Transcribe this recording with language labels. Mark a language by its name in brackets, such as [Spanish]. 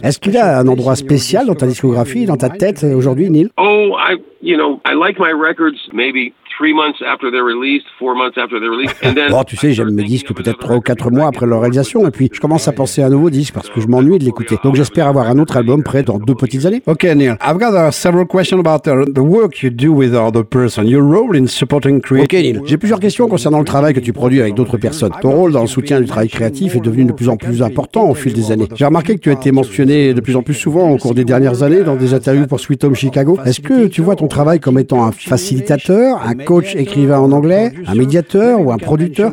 [French] Est-ce qu'il a un endroit spécial dans ta discographie, dans ta tête aujourd'hui, Neil? [English] Oh, I like my records, maybe. Bon, [French] tu sais, j'aime mes disques peut-être 3 ou 4 mois après leur réalisation, et puis je commence à penser à un nouveau disque parce que je m'ennuie de l'écouter. Donc j'espère avoir un autre album prêt dans 2 petites années. [English] Ok, Neil, I've got several questions about the work you do with other persons, your role in supporting creative. [French] Ok, Neil, j'ai plusieurs questions concernant le travail que tu produis avec d'autres personnes. Ton rôle dans le soutien du travail créatif est devenu de plus en plus important au fil des années. J'ai remarqué que tu as été mentionné de plus en plus souvent au cours des dernières années dans des interviews pour Sweet Home Chicago. Est-ce que tu vois ton travail comme étant un facilitateur, un coach écrivain en anglais, un médiateur ou un producteur?